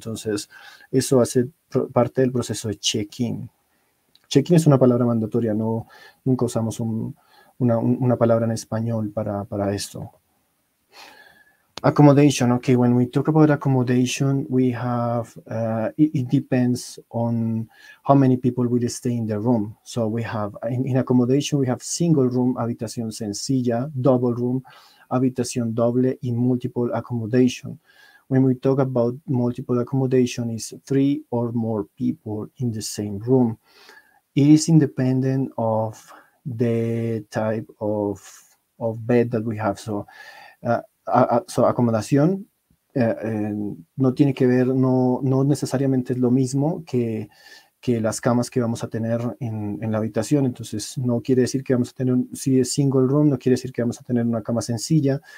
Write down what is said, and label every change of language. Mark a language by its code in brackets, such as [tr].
[es] Entonces, eso hace parte del proceso de check-in. Check-in es una palabra mandatoria, no, nunca usamos una palabra en español para esto. [en] Accommodation, okay, when we talk about accommodation, we have, it depends on how many people will stay in the room. So we have, in accommodation, we have single room, [es] habitación sencilla, [en] double room, [es] habitación doble, [en] y multiple accommodation. When we talk about multiple accommodation, is three or more people in the same room. It is independent of the type of bed that we have. [es] So, acomodación no tiene que ver, no necesariamente es lo mismo que las camas que vamos a tener en la habitación. Entonces, no quiere decir que vamos a tener, si es single room, no quiere decir que vamos a tener una cama sencilla.